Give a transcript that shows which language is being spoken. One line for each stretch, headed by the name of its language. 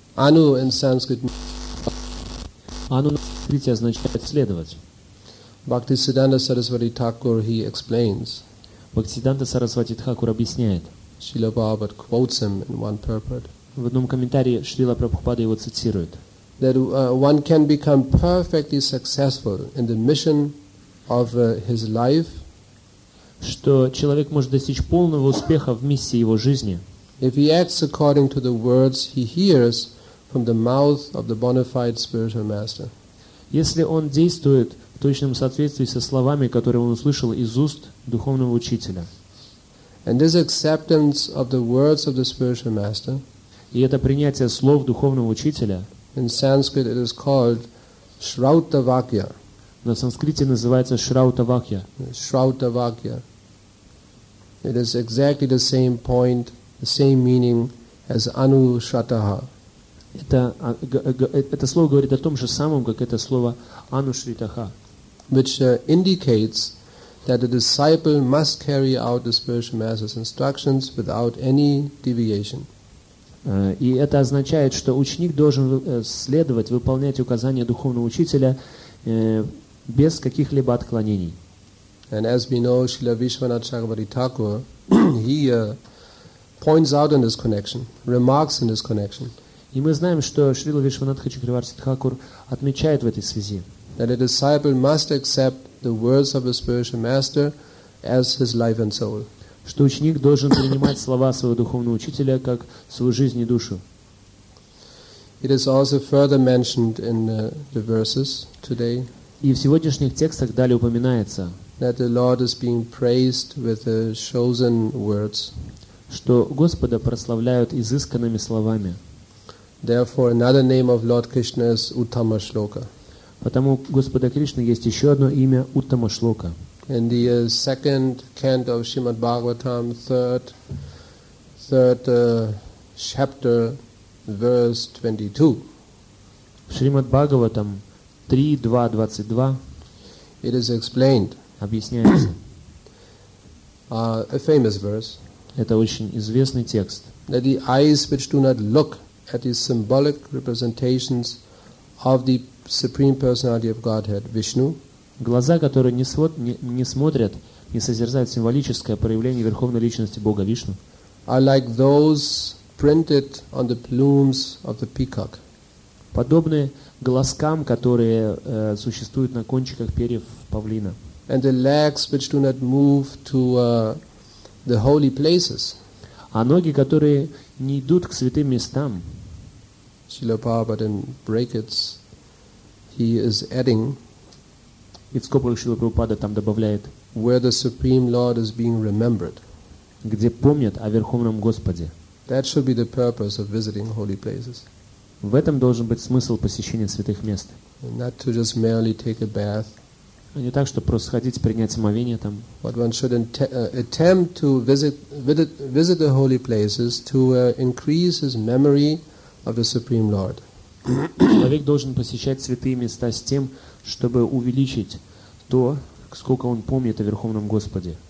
English: Anu in Sanskrit.
Russian: Anu на санскрите означает следовать.
English: Bhaktisiddhanta Sarasvati Thakur he explains.
Russian: Bhaktisiddhanta Sarasvati Thakur объясняет.
English: Srila Prabhupada quotes him in one purport.
Russian: В одном комментарии Шрила Прабхупада его цитирует.
English: That one can become perfectly successful in the mission of his life,
Russian: что человек может достичь полного успеха в миссии его жизни,
English: if he acts according to the words he hears from the mouth of the bona fide spiritual master.
Russian: Если он действует в точном соответствии со словами, которые он услышал из уст духовного учителя.
English: And this acceptance of the words of the spiritual master,
Russian: и это принятие слов духовного учителя,
English: in Sanskrit it is called Shrautavakya.
Russian: На санскрите называется Шраутавакья. Шраутавакья.
English: It is exactly the same point, the same meaning as Анушатаха.
Russian: Это слово говорит о том же самом, как это слово Анушритаха.
English: Which indicates that the disciple must carry out the spiritual master's instructions without any deviation.
Russian: И это означает, что ученик должен следовать, выполнять указания духовного учителя без каких-либо отклонений.
English: And as we know, Srila Vishwanatha Chakravarti Thakur, he points out in this connection, remarks in this connection.
Russian: И мы знаем, что Шрила Вишванатха Чакраварти Тхакур отмечает в этой связи.
English: That a disciple must accept the words of a spiritual master as his life and soul.
Russian: Что ученик должен принимать слова своего духовного учителя как свою жизнь и душу.
English: It is also further mentioned in the verses today.
Russian: И в сегодняшних текстах далее упоминается,
English: that the Lord is being praised with the chosen words,
Russian: что Господа прославляют изысканными словами.
English: Therefore, another name of Lord Krishna is Uttama Shloka.
Russian: Потому Господа Кришны есть еще одно имя Уттама Шлока.
English: In the second canto of Srimad Bhagavatam, third chapter, verse 22. Srimad Bhagavatam 3.2.22. It is explained.
Russian: Объясняется.
English: A famous verse.
Russian: Это очень известный текст.
English: That the eyes which do not look at the symbolic representations of the Supreme Personality of Godhead, Vishnu.
Russian: Глаза, которые не смотрят, не созерцают символическое проявление Верховной Личности Бога Вишну,
English: are like those printed on the plumes of the peacock.
Russian: Подобны глазкам, которые существуют на кончиках перьев павлина.
English: And the legs which do not move to the holy places.
Russian: А ноги, которые не идут к святым местам.
English: Srila Prabhupada in brackets, he is adding,
Russian: и в скобках Шрила Прабхупада там добавляет,
English: where the Supreme Lord is being remembered,
Russian: где помнят о Верховном Господе.
English: That should be the purpose of visiting holy places.
Russian: В этом должен быть смысл посещения святых мест.
English: Not to just merely take a bath.
Russian: А не так, чтобы просто сходить, принять омовение там.
English: But one should attempt to visit the holy places to increase his memory of the Supreme Lord.
Russian: Человек должен посещать святые места с тем, чтобы увеличить то, сколько он помнит о Верховном Господе.